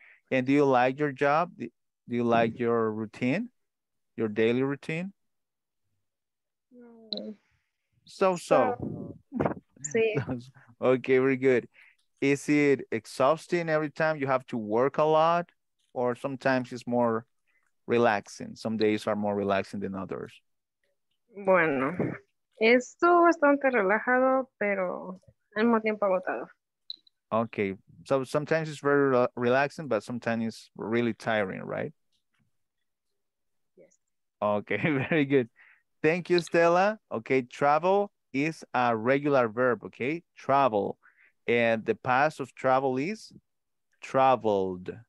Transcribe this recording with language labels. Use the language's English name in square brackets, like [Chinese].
[English] And do you like your job? Do you like mm-hmm. your routine? Your daily routine? No. So-so. [Spanish] Sí. [English] Okay, very good. Is it exhausting every time you have to work a lot, or sometimes it's more relaxing? Some days are more relaxing than others. [Spanish] Bueno, esto bastante relajado, pero al mismo tiempo agotado. [English] Okay, so sometimes it's very relaxing, but sometimes it's really tiring, right? Yes. Okay, very good. Thank you, Stella. Okay, travel is a regular verb, okay? Travel. And the past of travel is traveled.